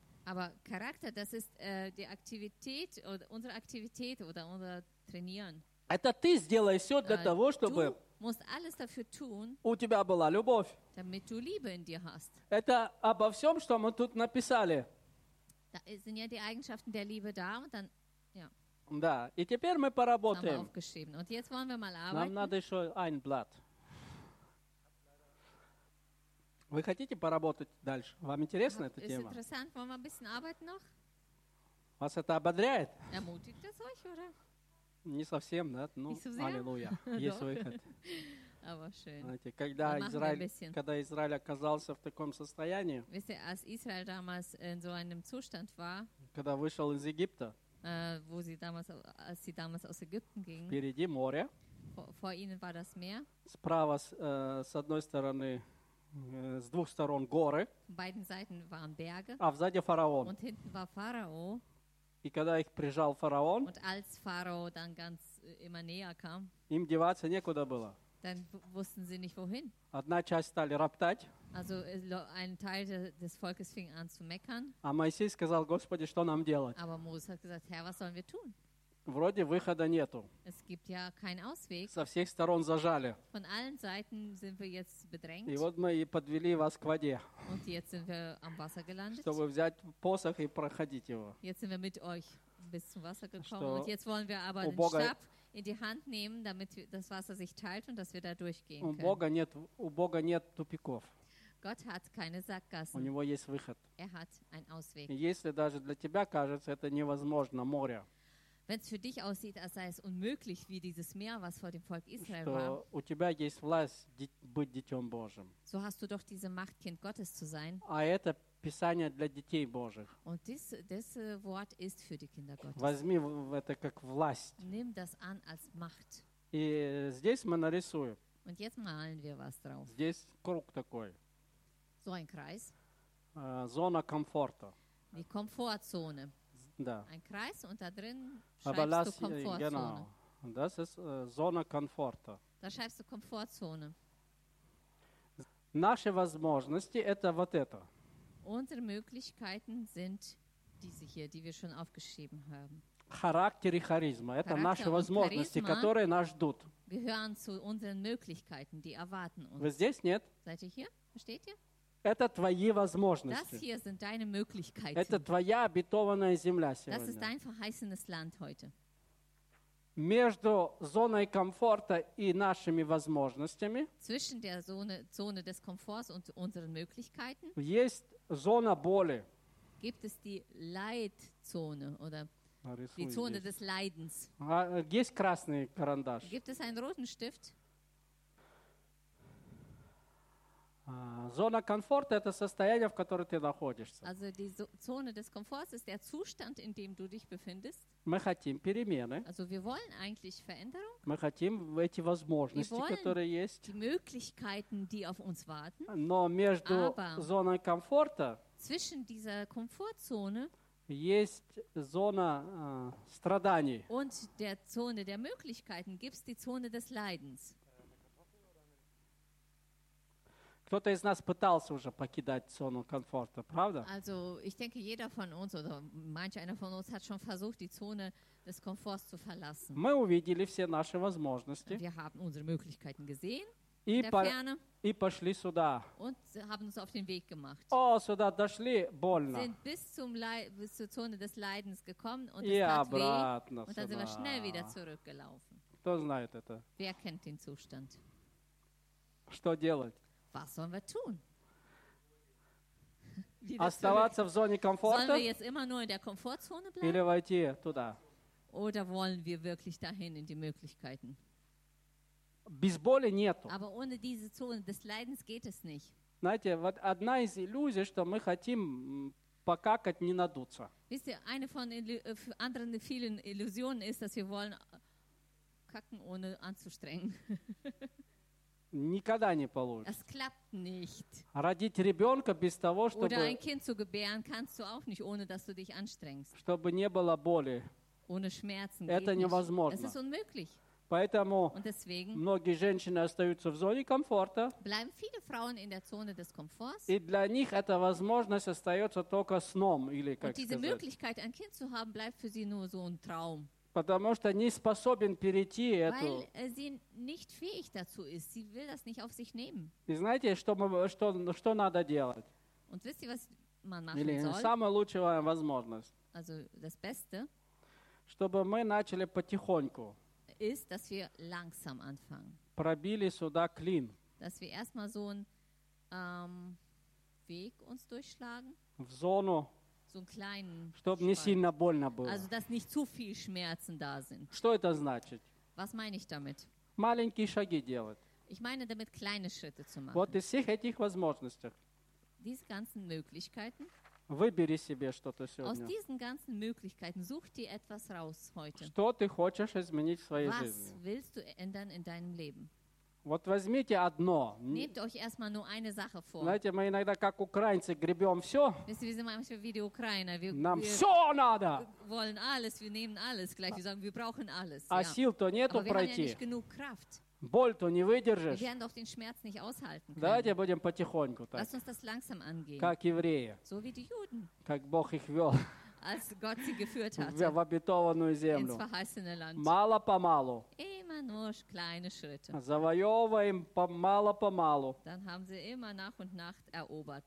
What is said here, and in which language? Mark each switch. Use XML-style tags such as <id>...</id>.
<de>Aber Charakter, das ist die Aktivität oder unsere Aktivität oder unser Trainieren.</de> <ru>Это ты сделай все для того, чтобы</ru> <de>du musst alles dafür tun,</de> <ru>у тебя была любовь.</ru> <de>Damit du Liebe in dir hast.</de> <ru>Это обо всем, что мы тут написали.</ru> <de>Da sind ja die Eigenschaften der Liebe da und dann ja.</de> <ru>Да, и теперь мы поработаем.</ru> <de>Haben wir aufgeschrieben. Und jetzt wollen wir mal arbeiten.</de> <ru>Нам надо еще</ru> <de>ein Blatt.</de> <ru>Вы хотите поработать дальше? Вам интересна эта тема?</ru> <de>Interessant. Wollen wir ein bisschen arbeiten noch?</de> <ru>Вас это ободряет?</ru> <de>Ermutigt das euch, oder?</de> <ru>Не совсем, да? Ну, аллилуйя. Есть выход.</ru> <de>Aber schön.</de> <ru>Знаете, когда, когда Израиль оказался в таком состоянии,</ru> <de>wisst ihr, als Israel damals in so einem Zustand war,</de> <ru>когда вышел из Египта,</ru> <de>wo sie damals, als sie damals aus Ägypten ging,</de> <ru>впереди море,</ru> <de>vor ihnen war das Meer,</de> <ru>справа, с одной стороны, с двух сторон горы,</ru> <de>beiden Seiten waren Berge,</de> <ru>а сзади фараон.</ru> <de>Und hinten war Pharao,</de> <ru>и когда их прижал фараон,</ru> <de>und als Pharao dann ganz immer näher kam,</de> <ru>им деваться некуда было.</ru> <de>Dann wussten sie nicht wohin.</de> <ru>Одна часть стали роптать.</ru> <de>Also ein Teil des Volkes fing an zu meckern.</de> <ru>А Моисей сказал, Господи, что нам делать?</ru> <de>Aber Mose hat gesagt, Herr, was sollen wir tun?</de> <ru>Вроде выхода нету.</ru> <de>Es gibt ja keinen Ausweg.</de> <ru>Со всех сторон зажали.</ru> <de>Von allen Seiten sind wir jetzt bedrängt.</de> <ru>И вот мы и подвели вас к воде.</ru> <de>Und jetzt sind wir am Wasser gelandet.</de> <ru>Чтобы взять посох и проходить его.</ru> <de>Jetzt sind wir mit euch bis zum Wasser gekommen. Und jetzt wollen wir aber den Stab in die Hand nehmen, damit das Wasser sich teilt und dass wir da durchgehen können.</de> <ru>У Бога нет тупиков.</ru> <de>Gott hat keine Sackgassen.</de> <ru>У него есть выход.</ru> <de>Er hat einen Ausweg.</de> <ru>Если даже для тебя кажется, это невозможно, море.</ru> <de>Wenn es für dich aussieht, als sei es unmöglich, wie dieses Meer, was vor dem Volk Israel</de> <ru>что</ru> <de>war,</de> <ru>у тебя есть власть быть дитем Божьим.</ru> <de>So hast du doch diese Macht, Kind Gottes zu sein.</de> <ru>А это Писание для детей Божьих.</ru> <de>Und das Wort ist für die Kinder Gottes.</de> <ru>Возьми это как власть.</ru> <de>Nimm das an als Macht.</de> <ru>И здесь мы нарисуем.</ru> <de>Und jetzt malen wir was drauf.</de> <ru>Здесь круг такой.</ru> <de>So ein Kreis.</de> <ru>Зона комфорта.</ru> <de>Die Komfortzone.</de> <ru>Да.</ru> <de>Ein Kreis und da drin schreibst du Komfortzone. Genau. Das ist</de> <ru>Зона комфорта.</ru> <de>Da schreibst du Komfortzone.</de> <ru>Наши возможности это вот это.</ru> <de>Unsere Möglichkeiten sind diese hier, die wir schon aufgeschrieben haben. Charakter und Charisma,</de> <ru>это наши возможности, которые нас ждут.</ru> <de>Gehören zu unseren Möglichkeiten, die erwarten uns.</de> <ru>Вы здесь, нет?</ru> <de>Seid ihr hier? Versteht ihr?</de> <ru>Это твои возможности.</ru> <de>Das hier sind deine Möglichkeiten.</de> <ru>Это твоя обетованная земля сегодня.</ru> <de>Das ist dein verheißenes Land heute.</de> <ru>Между зоной комфорта и нашими возможностями</ru> <de>zwischen der Zone des Komforts und unseren Möglichkeiten</de> <ru>есть зона боли.</ru> <de>Gibt es die Leidzone oder die Zone</de> <ru>здесь.</ru> <de>Des Leidens?</de> <ru>Есть красный карандаш.</ru> <de>Gibt es einen roten Stift?</de> <ru>Зона комфорта – это состояние, в котором ты находишься.</ru> <de>Also die Zone des Komforts ist der Zustand, in dem du dich befindest.</de> <ru>Мы хотим перемены.</ru> <de>Also wir wollen eigentlich Veränderung.</de> <ru>Мы хотим эти возможности,</ru> <de>wir</de> <ru>которые есть.</ru> <de>Die Möglichkeiten, die auf uns warten.</de> <ru>Но между</ru> <de>Aber</de> <ru>зоной комфорта</ru> <de>zwischen dieser Komfortzone</de> <ru>есть зона страданий.</ru> <de>Und der Zone der Möglichkeiten gibt's die Zone des Leidens.</de> <ru>Кто-то из нас пытался уже покидать зону комфорта, правда?</ru> <de>Also, ich denke, jeder von uns oder manch einer von uns hat schon versucht, die Zone des Komforts zu verlassen.</de> <ru>Мы увидели все наши возможности.</ru> <de>Wir haben unsere Möglichkeiten gesehen.</de> <ru>И пошли сюда.</ru> <de>Und haben uns auf den Weg gemacht.</de> <ru>О, сюда дошли, больно.</ru> <de>Sind bis zum bis zur Zone des Leidens gekommen und es tat weh. Und dann sind wir schnell wieder zurückgelaufen.</de> <ru>Кто знает это?</ru> <de>Wer kennt den Zustand?</de> <ru>Что делать?</ru> <de>Was sollen wir tun?</de> <ru>Оставаться в зоне комфорта?</ru> <de>Sollen wir jetzt immer nur in der Komfortzone bleiben?</de> <ru>Или войти туда?</ru> <de>Oder wollen wir wirklich dahin in die Möglichkeiten?</de> <ru>Без боли нету.</ru> <de>Aber ohne diese Zone des Leidens geht es nicht.</de> <ru>Знаете, вот одна из иллюзий, что мы хотим покакать, не надуться.</ru> <de>Wisst ihr, eine von anderen vielen Illusionen ist, dass wir wollen kacken, ohne anzustrengen.</de> <ru>Никогда не получится.</ru> <de>Es klappt nicht.</de> <ru>Родить ребенка без того, чтобы...</ru> <de>Oder ein Kind zu gebären kannst du auch nicht, ohne dass du dich anstrengst.</de> <ru>Чтобы не было боли.</ru> <de>Ohne Schmerzen.</de> <ru>Это невозможно.</ru> <de>Es ist unmöglich.</de> <ru>Поэтому</ru> <de>und deswegen</de> <ru>многие женщины остаются в зоне комфорта.</ru> <de>Bleiben viele Frauen in der Zone des Komforts.</de> <ru>И для них эта возможность остается только сном. Или, как</ru> <de>und diese</de> <ru>сказать,</ru> <de>Möglichkeit, ein Kind zu haben, bleibt für sie nur so ein Traum.</de> <ru>Потому что не способен перейти эту.</ru> <de>Weil sie nicht fähig dazu ist. Sie will das nicht auf sich nehmen.</de> <ru>И знаете, что надо делать?</ru> <de>Und wisst ihr, was man machen</de> <ru>Или,</ru> <de>soll?</de> <ru>Самая лучшая возможность.</ru> <de>Also das Beste.</de> <ru>Чтобы мы начали потихоньку.</ru> <de>Ist, dass wir langsam anfangen.</de> <ru>Пробили сюда клин.</ru> <de>Dass wir erstmal so einen Weg uns durchschlagen.</de> <ru>В зону.</ru> <de>So einen kleinen.</de> <ru>Чтобы не сильно больно было.</ru> <de>Also dass nicht zu viel Schmerzen da sind.</de> <ru>Что это значит?</ru> <de>Was meine ich damit?</de> <ru>Маленькие шаги делать.</ru> <de>Ich meine damit kleine Schritte zu machen.</de> <ru>Вот из всех этих возможностей.</ru> <de>Diese ganzen Möglichkeiten.</de> <ru>Выбери себе что-то сегодня.</ru> <de>Aus diesen ganzen Möglichkeiten such dir etwas raus heute.</de> <ru>Что ты хочешь изменить в своей</ru> <de>Was</de> <ru>жизни?</ru> <de>Was willst du ändern in deinem Leben?</de> <ru>Вот возьмите одно.</ru> <de>Nehmt euch erstmal nur eine Sache vor.</de> <ru>Знаете, мы иногда как украинцы гребем все.</ru> <de>Wisst ihr, wir sind manchmal wie die Ukrainer. Wir,</de> <ru>Нам</ru> <de>wir</de> <ru>все надо.</ru> <de>Wir wollen alles, wir nehmen alles. Gleich wir sagen, wir brauchen alles.</de> <ru>А сил-то нету пройти.</ru> <de>Aber wir haben ja nicht genug Kraft.</de> <ru>Боль-то не выдержишь.</ru> <de>Wir werden doch den Schmerz nicht aushalten können.</de> <ru>Давайте будем потихоньку так.</ru> <de>Lass uns das langsam angehen.</de> <ru>Как евреи.</ru> <de>So wie die Juden.</de> <ru>Как Бог их вел.</ru> <de>Als Gott sie geführt hat.</de> <ru>В обетованную землю.</ru> <de>Ins verheißene Land.</de> <ru>Мало-помалу.</ru> <de>Immer nur kleine Schritte.</de> <ru>Завоевываем мало-помалу.</ru> <de>Dann haben sie immer nach und nach erobert.</de>